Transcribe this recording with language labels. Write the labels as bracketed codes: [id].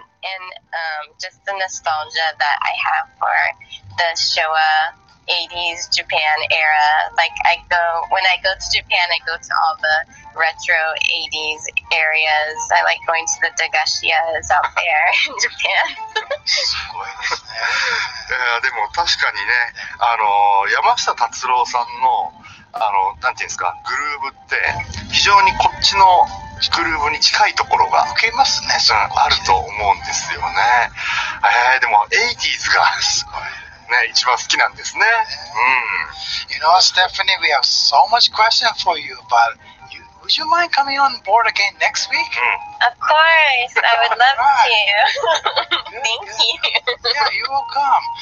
[en] And just the nostalgia that I have for the Showa 80s Japan era. Like when I go to Japan, I go to all the retro 80s areas. I like going to the Dagashias out there in Japan. [ja] でも確かにね、あの山下達郎さんの、あのなんていうんですか、グルーブって非常にこっちのグルーブに近いところが受けますね、うん、あると思うんですよね。でも 80s がすごい。 [en] You know, Stephanie, we have so much question for you, but you, would you mind coming on board again next week? Of course, I would love to. Thank you. Yeah, you will come.